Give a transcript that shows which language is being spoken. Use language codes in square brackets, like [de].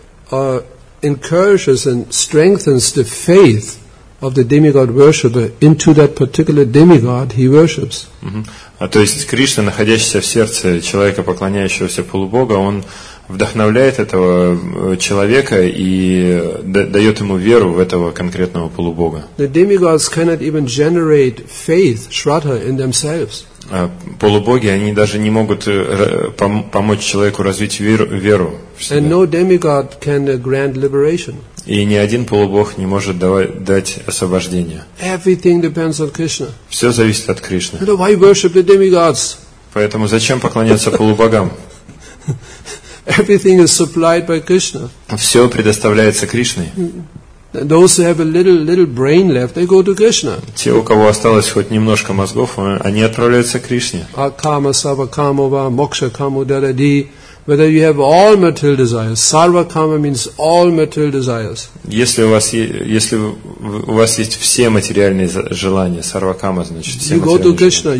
[en] encourages and strengthens the faith of the demigod worshipper into that particular demigod he worships. [ru] А то есть Кришна, находящийся в сердце человека, поклоняющегося полубога, он вдохновляет этого человека и дает ему веру в этого конкретного полубога. [en] The demigods cannot even generate faith, shraddha in themselves. [ru] Полубоги, они даже не могут помочь человеку развить веру в себя. [en] And no demigod can grant liberation. [ru] И ни один полубог не может дать освобождение. [en] Everything depends on Krishna. [ru] Все зависит от Кришны. [en] So why worship the demigods? [ru] Поэтому зачем поклоняться полубогам? [en] Everything is supplied by Krishna. [ru] Все предоставляется Кришной. [en] Those who have a little brain left, they go to Krishna. [ru] Те, у кого осталось хоть немножко мозгов, они отправляются к Кришне. [sa] Акама сава камова мокша каму дараде. [en] Whether you have all material desires, sarva kama means all material desires. [ru] Если у вас есть все материальные желания, sarva kama значит все материальные.